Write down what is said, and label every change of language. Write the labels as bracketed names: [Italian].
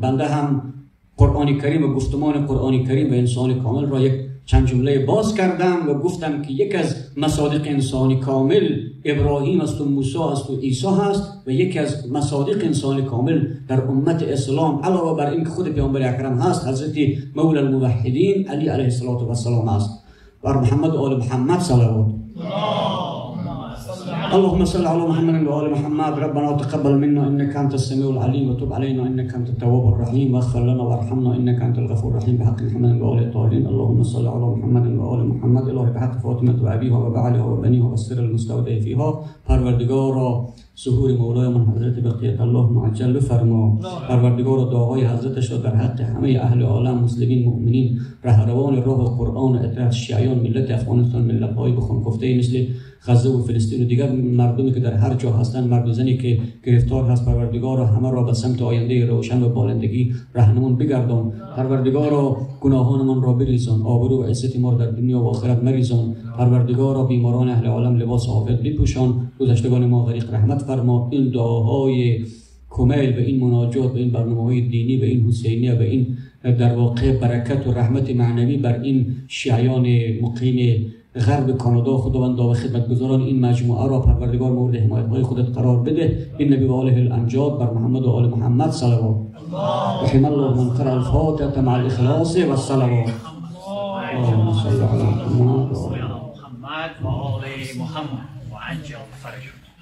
[Persian] بنده هم قرآن کریم و گفتمان قرآن کریم و انسان کامل را یک چند جمله باز کردم و گفتم که یک از مصادیق انسان کامل ابراهیم است و موسی است و عیسی هست، و یکی از مصادیق انسان کامل در امت اسلام علاوه بر این که خود پیامبر اکرم هست، حضرت مولا الموحدین علی علیه السلام است، بر محمد و آل محمد صلوات. [Arabic] اللهم صل على محمد وآل محمد. ربنا تقبل منا إنك أنت السميع العليم، وتب علينا إنك أنت التواب الرحيم، واغفر لنا وارحمنا إنك أنت الغفور الرحيم، بحق محمد وآل الطاهرين. اللهم صل على محمد وآل محمد. اللهم بحق فاطمة وأبيها وبعلها وبنيها والسر المستودع فيها. [Persian] پروردگارا ظهور مولای من حضرت بقیت الله معجل فرما. پروردگارا دعای حضرتش را در حق همه اهل عالم، مسلمین، مؤمنین، رهروان راه قرآن، اطراف شیعیان، ملت افغانستان، ملت های بخون گفته مثل غزه و فلسطین و دیگر مردمی که در هر جا هستند، مرد و زنی که گرفتار هست، پروردگارا همه را به سمت آینده روشن و بالندگی رهنمون بگردان. پروردگارا گناهانمون را بریزان، آبرو و عزت ما را در دنیا و آخرت مریزان. پروردگارا بیماران اهل عالم لباس عافیت بپوشان، گذشتگان ما غریق رحمت فرما. این دعاهای کمیل به این مناجات، به این برنامه‌های دینی، به این حسینیه، به این در واقع برکت و رحمت معنوی بر این شیعیان مقیم غرب کانادا، خداوند و خدمتگزاران این مجموعه را پروردگار مورد حمایت های خودت قرار بده. این نبی و آله الانجاد، بر محمد و آل محمد صلوات. [Arabic] رحم الله من قرأ الفاتحة مع الإخلاص والصلوات. اللهم صل على محمد وعلى محمد وعجل فرجه.